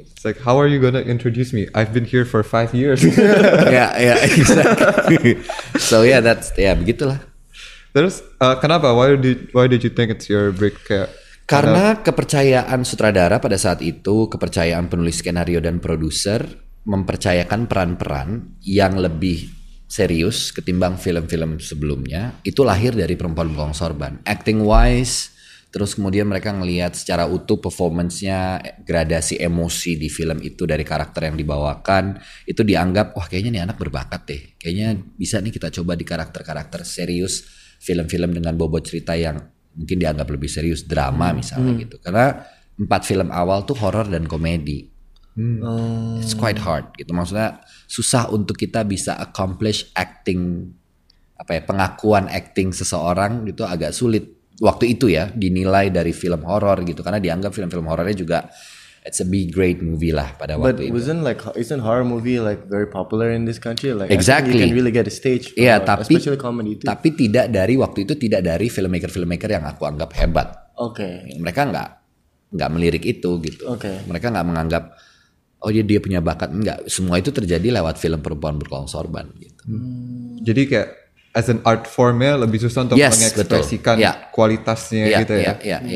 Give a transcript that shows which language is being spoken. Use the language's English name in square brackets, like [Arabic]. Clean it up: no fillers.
[English] It's like, how are you gonna introduce me? I've been here for 5 years. Exactly. So yeah, that's yeah, [Indonesian] begitulah. Terus kenapa? [English] Why did you think it's your break? [Indonesian] Karena kepercayaan sutradara pada saat itu, kepercayaan penulis skenario dan produser mempercayakan peran-peran yang lebih serius ketimbang film-film sebelumnya. Itu lahir dari Perempuan Bengkong Sorban. Acting wise, terus kemudian mereka ngelihat secara utuh performance-nya, gradasi emosi di film itu dari karakter yang dibawakan, itu dianggap, wah kayaknya nih anak berbakat deh. Kayaknya bisa nih kita coba di karakter-karakter serius, film-film dengan bobot cerita yang mungkin dianggap lebih serius, drama misalnya gitu. Karena 4 film awal tuh horror dan komedi. [English] It's quite hard [Indonesian] gitu. Maksudnya susah untuk kita bisa accomplish acting, apa ya, pengakuan acting seseorang gitu agak sulit. Waktu itu ya dinilai dari film horror gitu. Karena dianggap film-film horornya juga [English] it's a big great movie [Indonesian] lah pada [English] but [Indonesian] waktu itu. [English] But wasn't like, isn't horror movie like very popular in this country? Like, exactly. You can really get a stage. Yeah, [Indonesian] tapi, [English] especially comedy too. [Indonesian] Tapi tidak dari, waktu itu tidak dari filmmaker-filmmaker yang aku anggap hebat. Oke. [English] Okay. [Indonesian] Mereka gak melirik itu gitu. Oke. Okay. Mereka gak menganggap, oh ya dia punya bakat. Enggak, semua itu terjadi lewat film Perempuan Berkelong Sorban gitu. Jadi kayak, [English] as an art form [Indonesian] ya lebih susah untuk mengekspresikan kualitasnya gitu ya.